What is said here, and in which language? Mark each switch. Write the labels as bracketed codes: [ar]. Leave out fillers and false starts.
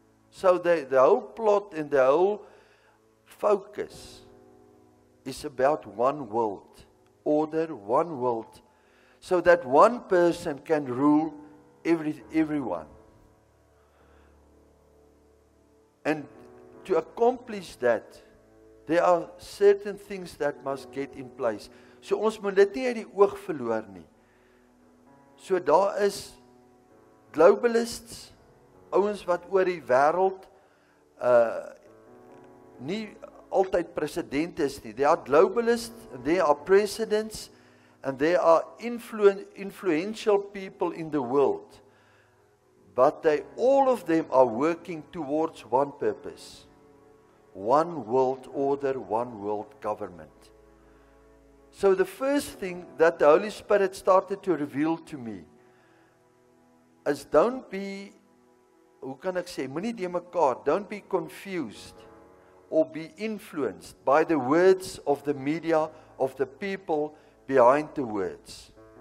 [en] So the whole plot and the whole focus is about one world order, one world, so that one person can rule everyone. And to accomplish that, there are certain things that must get in place. [af] So ons moet dit nie uit die oog verloor nie. So daar is globalists, ouens wat oor die wêreld nie altyd president is nie. [en] There are globalists, there are presidents, and there are influential people in the world. But they, all of them are working towards one purpose. One world order, one world government. So the first thing that the Holy Spirit started to reveal to me is don't be, [af] hoe kan ek sê, moenie die mekaar, [en] don't be confused or be influenced by the words of the media, of the people behind the words.